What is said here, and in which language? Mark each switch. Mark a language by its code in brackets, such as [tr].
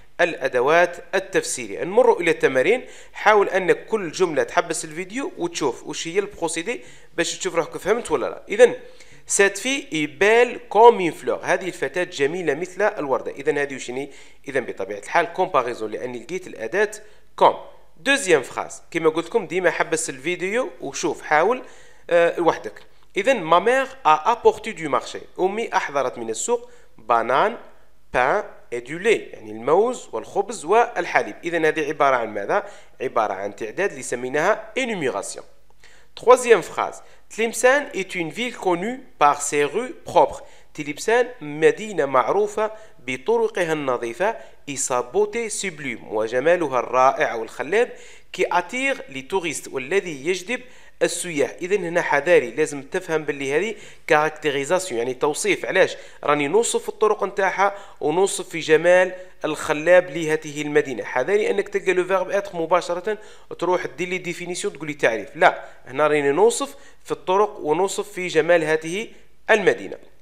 [ar] الأدوات التفسيرية نمر إلى التمارين حاول أن كل جملة تحبس الفيديو وتشوف وش هي البروسيدي باش تشوف روحك فهمت ولا لا إذن [fr] Cette fille est belle comme une fleur. [ar] هذه الفتاة جميلة مثل الوردة. إذن هذه وشني؟ إذن بطبيعة الحال comparison لأني لقيت الأداة comme. [fr] Deuxième phrase. [ar] كما قلت لكم ديما حبس الفيديو وشوف حاول وحدك. [fr] إذن ma mère a apporté du marché. [ar] أمي أحضرت من السوق بانان, [fr] pain et du lait. [ar] يعني الموز والخبز والحليب. إذن هذه عبارة عن ماذا؟ عبارة عن تعداد اللي سميناها énumération. [fr] Troisième phrase. Tlemcen est une ville connue par ses rues propres. [ar] Tlemcen, مدينة معروفة بطرقها النظيفة [fr] et sa beauté sublime [ar] وجمالها الرائع والخلاب [fr] qui attire les touristes [ar] والذي يجذب السياح. إذن هنا حذاري لازم تفهم باللي هذه كاركتيريزاسيون يعني توصيف علاش راني نوصف الطرق نتاعها ونوصف في جمال الخلاب لهذه المدينة حذاري أنك تلقى لو فيرب اتر مباشرة تروح دير لي ديفينيسيون تقول لي تعريف لا هنا راني نوصف في الطرق ونوصف في جمال هذه المدينة